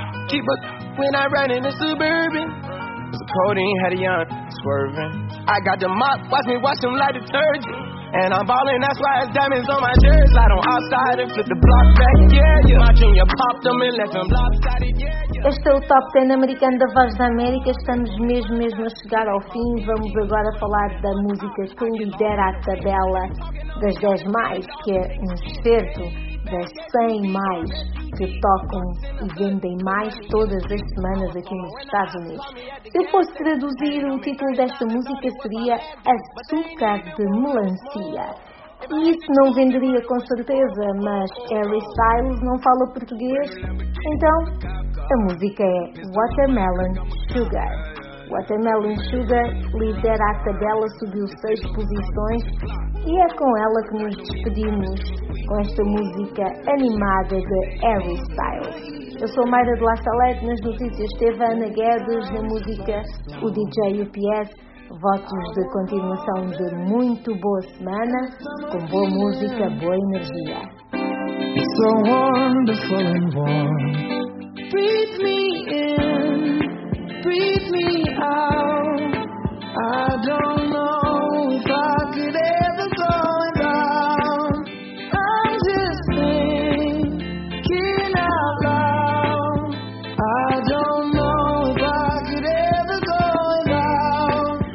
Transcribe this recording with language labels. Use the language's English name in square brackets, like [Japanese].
[English] Keep a when I run in the Suburban. The codeine had a young swerving. I got the mop, watch me watch them like detergent. And I'm ballin', that's why it's diamonds on my jersey. Slide on outside and flip the block back, yeah, yeah. My junior popped them and left them lopsided, yeah. [Portuguese] Este é o Top 10 americano da Voz da América. Estamos mesmo a chegar ao fim. Vamos agora falar da música que lidera a tabela das 10 mais, que é um certo das 100 mais que tocam e vendem mais todas as semanas aqui nos Estados Unidos. Se eu fosse traduzir, o título desta música seria Açúcar de Melancia. E isso não venderia com certeza, mas Harry Styles não fala português, então a música é Watermelon Sugar. Watermelon Sugar lidera a tabela, subiu 6 posições e é com ela que nos despedimos com esta música animada de Harry Styles. Eu sou Mayra de La Salette, nas notícias esteve Ana Guedes, na música o DJ UPS. Votos de continuação de muito boa semana, com boa música, boa energia. [English] It's so wonderful and warm. Breathe me in, breathe me out. I don't know if I could ever go without. I'm just thinking out loud. I don't know if I could ever go without.